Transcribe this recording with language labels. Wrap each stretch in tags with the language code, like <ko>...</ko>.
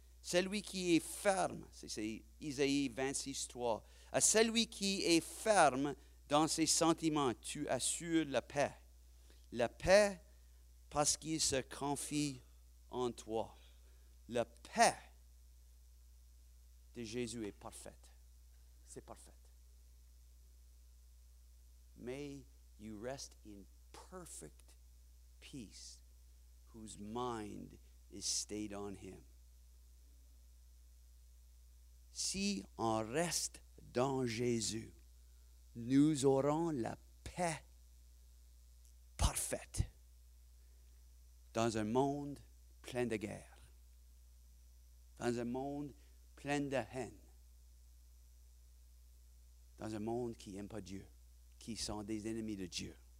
<fr>Celui qui est ferme, c'est Isaïe 26, 3, à celui qui est ferme dans ses sentiments, tu assures la paix. La paix parce qu'il se confie en toi. La paix de Jésus est parfaite. C'est parfait.</fr> <en>May you rest in perfect peace, whose mind is stayed on him.</en> <fr>Si on reste dans Jésus, nous aurons la paix parfaite dans un monde plein de guerre, dans un monde plein de haine, dans un monde qui n'aime pas Dieu, qui sont des ennemis de Dieu.</fr>